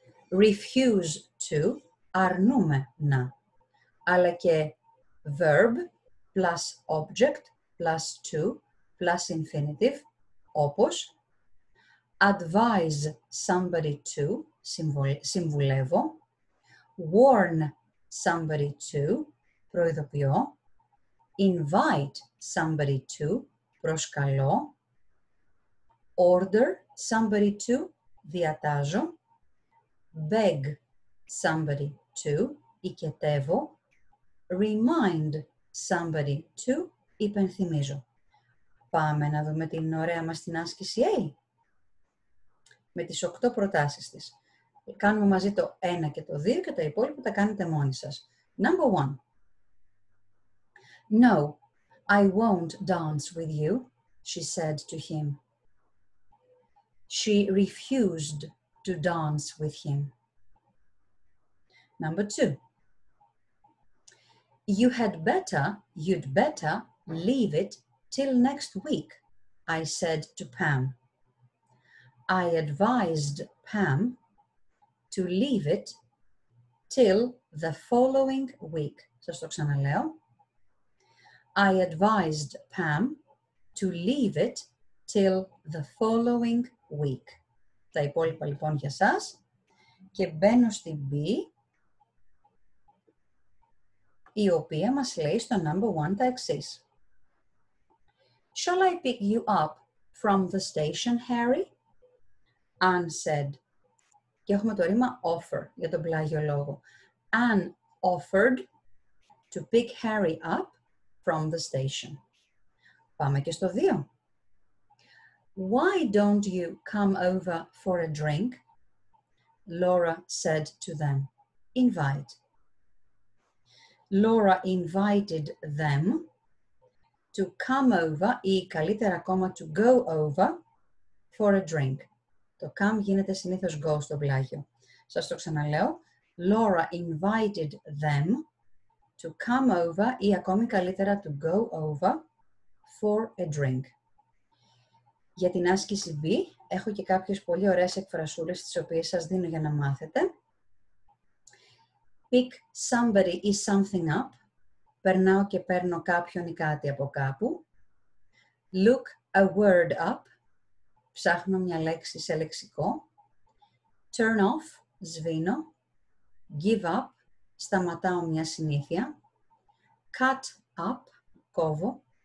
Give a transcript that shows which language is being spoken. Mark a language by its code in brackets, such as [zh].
[en] refuse to, [el] αρνούμε να, αλλά και [en] verb plus object plus to plus infinitive, όπως advise somebody to, [el] συμβουλεύω, [en] warn somebody to, [el] προειδοποιώ, [en] invite somebody to, [el] προσκαλώ, [en] order somebody to, [el] διατάζω, [en] beg somebody to, [el] οικετεύω, [en] remind somebody to, [el] υπενθυμίζω. Πάμε να δούμε την ωραία μας την άσκηση A, με τις 8 προτάσεις της. Κάνουμε μαζί το 1 και το 2 και τα υπόλοιπα τα κάνετε μόνοι σας. [en] Number 1. No, I won't dance with you, she said to him. She refused to dance with him. Number 2. You'd better leave it till next week, I said to Pam. I advised Pam to leave it till the following week. [el] Σας το ξαναλέω. [en] I advised Pam to leave it till the following week. [el] Τα υπόλοιπα λοιπόν για σας. Και μπαίνω στην B, η οποία μας λέει στο number 1 τα εξής. [en] Shall I pick you up from the station, Harry? Ann said. [el] Και έχουμε το ρήμα offer για τον πλάγιο λόγο. [en] Ann offered to pick Harry up from the station. [el] Πάμε και στο 2. [en] Why don't you come over for a drink? Laura said to them. Invite. Laura invited them to come over, [el] ή καλύτερα ακόμα [en] to go over for a drink. [el] Το come γίνεται συνήθως go στο πλάγιο. Σας το ξαναλέω. [en] Laura invited them to come over, [el] ή ακόμη καλύτερα [en] to go over for a drink. [el] Για την άσκηση B έχω και κάποιες πολύ ωραίες εκφρασούλες τις οποίες σας δίνω για να μάθετε. [en] Pick somebody or something up. [el] Περνάω και παίρνω κάποιον ή κάτι από κάπου. [en] Look a word up. [el] Ψάχνω μια λέξη σε λεξικό. [en] Turn off. [el] Σβήνω. [en] Give up. [el] Σταματάω μια συνήθεια. [en] Cut up. [el] Κόβω.